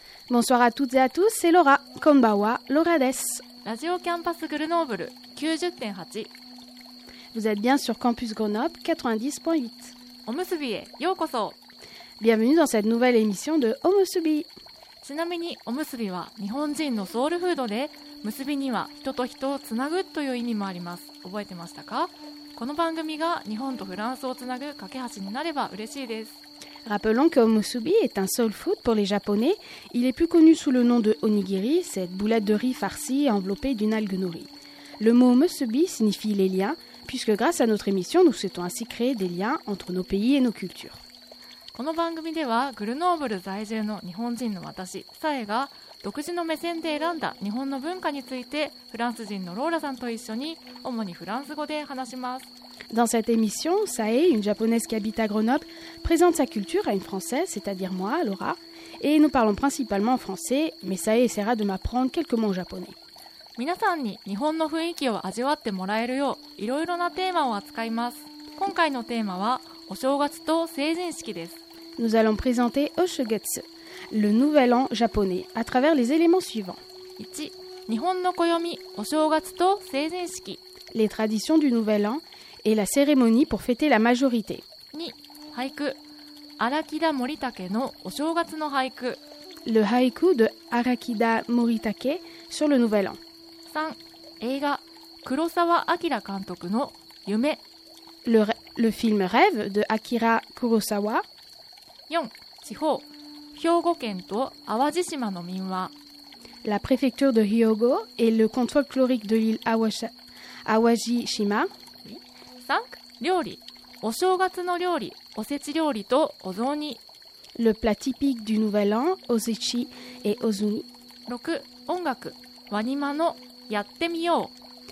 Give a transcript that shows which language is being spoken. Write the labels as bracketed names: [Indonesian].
[French] Bonsoir à toutes et à tous, c'est Laura. [Japanese] Konbanwa, Laura desu. [French] Radio Campus Grenoble 90.8. Vous êtes bien sur Campus Grenoble 90.8. [Japanese] Omusubi e yōkoso. [French] Bienvenue dans cette nouvelle émission de Omusubi. [Japanese] ちなみにおむすびは日本人のソウルフードで、結びには人と人をつなぐという意味もあります。覚えてましたか？この番組が日本とフランスをつなぐ架け橋になれば嬉しいです。 [French] Rappelons que omusubi est un soul food pour les Japonais. Il est plus connu sous le nom de onigiri, cette boulette de riz farcie enveloppée d'une algue nori. Le mot omusubi signifie les liens, puisque grâce à notre émission, nous souhaitons ainsi créer des liens entre nos pays et nos cultures. [Japanese] この番組ではグルノーブル在住の日本人の私サエが独自の目線で選んだ日本の文化についてフランス人のローラさんと一緒に主にフランス語で話します。 [French] Dans cette émission, Sae, une japonaise qui habite à Grenoble, présente sa culture à une française, c'est-à-dire moi, Laura, et nous parlons principalement français, mais Sae essaiera de m'apprendre quelques mots japonais. [Japanese] 皆さんに日本の雰囲気を味わってもらえるよういろいろなテーマを扱います。今回のテーマはお正月と成人式です。 [French] Nous allons présenter Oshogetsu, le nouvel an japonais, à travers les éléments suivants. 1. [Japanese] 日本の暦、お正月と成人式。 [French] Les traditions du nouvel an et la cérémonie pour fêter la majorité. 2. [Japanese] 俳句、Arakida Moritake のお正月の俳句。 [French] Le haiku de Arakida Moritake sur le nouvel an. [Japanese] 3. 映画、黒澤明監督の夢。 [French] Le film Rêve de Akira Kurosawa. 4. [Japanese] 地方、兵庫県と淡路島の民話。 [French] La préfecture de Hyogo et le conte folklorique de l'île Awajishima. 5. [Japanese] 料理、お正月の料理、おせち料理とお雑煮。 [French] Le plat typique du nouvel an, Osechi et Ozuni. 6. [Japanese] 音楽、ワニマのやってみよう。